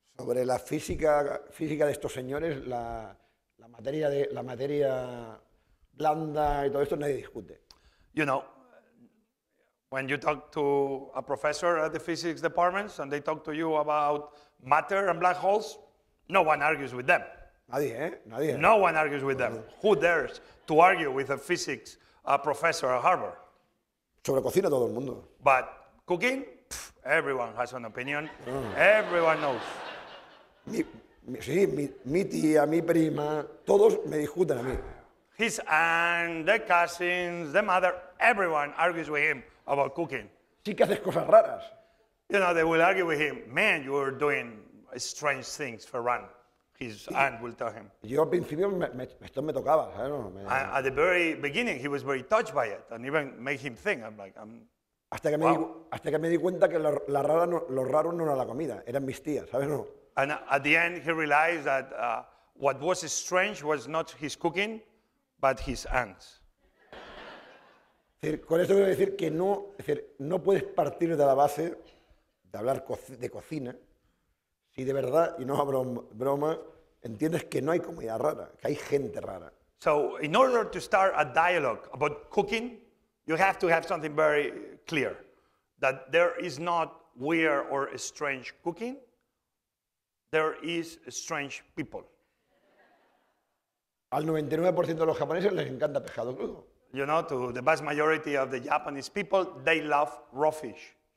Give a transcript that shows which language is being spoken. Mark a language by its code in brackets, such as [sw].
[es] Sobre la física de estos señores, la materia blanda y todo esto, nadie discute. [en] You know, when you talk to a professor at the physics departments and they talk to you about matter and black holes, no one argues with them. [es] Nadie, ¿eh? Nadie. [en] No one argues with them. Who dares to argue with a physics professor at Harvard? [es] Sobre cocina todo el mundo. [en] But cooking, everyone has an opinion. Everyone knows. [es] Mi tía, mi prima, todos me discuten a mí. [en] His aunt, the cousins, the mother, everyone argues with him about cooking. [es] Sí que haces cosas raras. [en] You know, they will argue with him. Man, you're doing strange things, Ferran. his aunt will tell him. [es] Yo al principio esto me tocaba, ¿sabes? [en] At the very beginning, he was very touched by it, and even made him think. I'm like, I'm. [es] Hasta que me di cuenta que la rara, los raros no era la comida, eran mis tías, ¿sabes? No. [en] And at the end, he realized that what was strange was not his cooking, but his aunt. [es] Con esto quiero decir que no, es decir, no puedes partir de la base de hablar de cocina si de verdad, y no hablo broma, entiendes que no hay comida rara, que hay gente rara. [en] So, in order to start a dialogue about cooking, you have to have something very clear, that there is not weird or strange cooking, there is strange people. [es] Al 99% de los japoneses les encanta pescado crudo. [en] You know, to the vast majority of the Japanese people, they love raw fish.